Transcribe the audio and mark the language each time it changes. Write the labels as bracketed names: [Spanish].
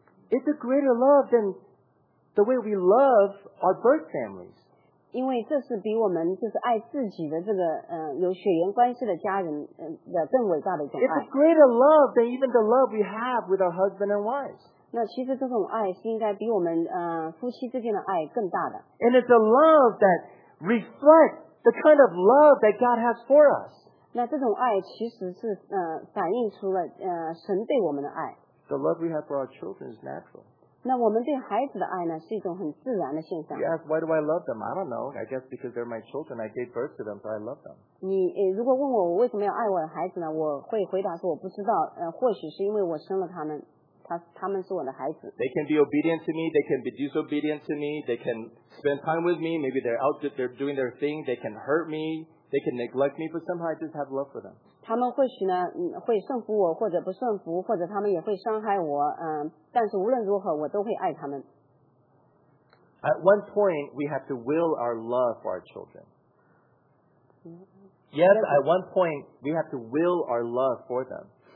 [English] It's a greater love than the way we love our birth families. [Chinese] 因为这是比我们就是爱自己的这个, 有血缘关系的家人的更伟大的一种爱。 [English] It's a greater love than even the love we have with our husband and wives. [Chinese] 那其实这种爱是应该比我们, 夫妻之间的爱更大的。 [English] And it's a love that reflects the kind of love that God has for us. [Chinese] 那这种爱其实是, 反映出了, 神对我们的爱。 [English] The love we have for our children is natural. [Chinese] 那我们对孩子的爱呢, 是一种很自然的现象。 [English] You ask, why do I love them? I don't know. I guess because they're my children, I gave birth to them, so I love them. [Chinese] 你, 如果问我为什么要爱我的孩子呢, 我会回答说我不知道, 或许是因为我生了他们。 [English] They can be obedient to me, they can be disobedient to me, they can spend time with me, maybe they're out, they're doing their thing, they can hurt me, they can neglect me, but somehow I just have love for them. [Chinese] 他们或许呢, 会顺服我, 或者不顺服, 或者他们也会伤害我, 但是无论如何, 我都会爱他们。 [English] At one point, we have to will our love for our children. Yes, at one point, we have to will our love for them.